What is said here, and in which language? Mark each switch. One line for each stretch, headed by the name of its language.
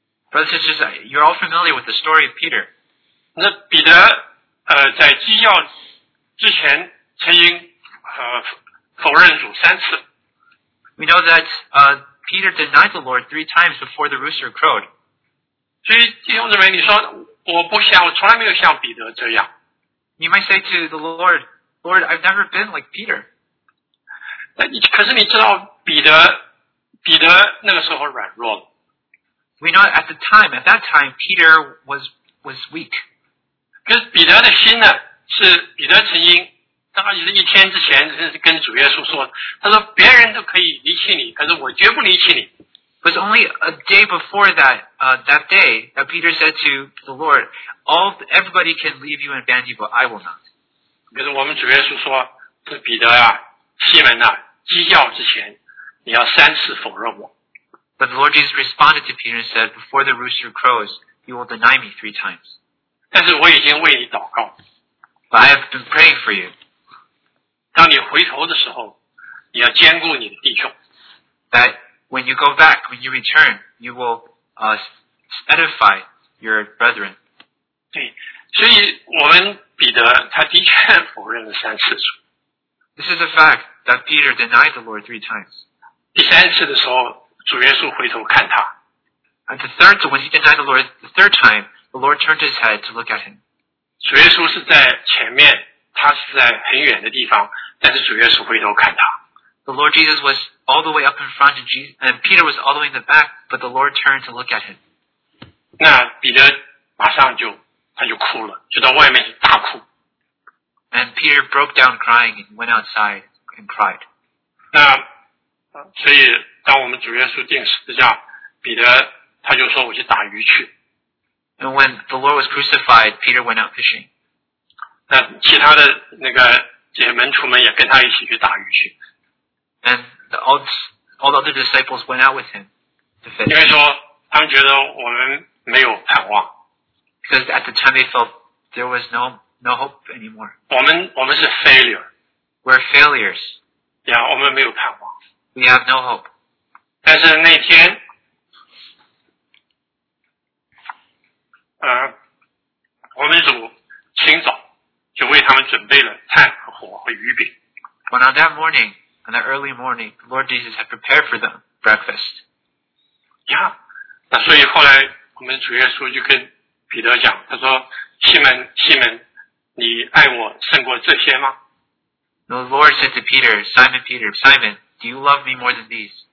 English: Brothers and sisters, you're all familiar with the story of Peter.
Chinese: 那彼得在基要之前曾经否认主三次。
English: We know that Peter denied the Lord three times before the rooster crowed.
Chinese: 所以弟兄姊妹，你说我不像，我从来没有像彼得这样。
English: You might say to the Lord, Lord, I've never been like Peter.
Chinese: 可是你知道彼得那个时候软弱了。
English: We know at that time, Peter was weak.
Chinese: 可是彼得的心呢，是彼得曾经当然是一天之前跟主耶稣说，他说别人都可以离弃你，可是我绝不离弃你。
English: It was only a day before that day that Peter said to the Lord, everybody can leave you and abandon you, but I will not.
Chinese: 可是我们主耶稣说，这彼得啊，西门啊，基教之前，你要三次否认我。
English: But the Lord Jesus responded to Peter and said, before the rooster crows, you will deny me three times.
Chinese: 但是我已经为你祷告。
English: But I have been praying for you.
Chinese: 当你回头的时候，你要坚固你的弟兄。
English: That when you go back, when you return, you will edify your brethren.
Chinese: 对，所以我们彼得他的确否认了三次。
English: This is a fact that Peter denied the Lord three times.
Chinese: 第三次的时候，主耶稣回头看他。
English: And the third, when he denied the Lord the third time, the Lord turned his head to look at him.
Chinese: 主耶稣是在前面，他是在很远的地方，但是主耶稣回头看他。
English: The Lord Jesus was all the way up in front, and Peter was all the way in the back, but the Lord turned to look at him.
Chinese: 那彼得马上就他就哭了，就到外面大哭。
English: And Peter broke down crying and went outside and cried.
Chinese: 那所以当我们主耶稣钉十字架，彼得他就说我去打鱼去。
English: And when the Lord was crucified, Peter went out fishing.
Chinese: 那其他的那个这些门徒们也跟他一起去打鱼去。
English: And all the other disciples went out with him to fish.
Chinese: 因为说他们觉得我们没有盼望。
English: Because at the time they felt there was no hope anymore.
Chinese: 我们是
English: failure. We're failures. Yeah,
Chinese: 我们没有盼望。
English: We have no hope.
Chinese: 但是那天我们主清早就为他们准备了菜和火和鱼饼。
English: But on that morning,in the early morning, the Lord Jesus had prepared for them breakfast. Yeah.
Chinese: 那所以后来我们主耶稣就跟彼得讲，他说，西门，西门，你爱我胜过这些吗？
English: The Lord said to Peter, Simon, Peter, Simon, do you love me more than these?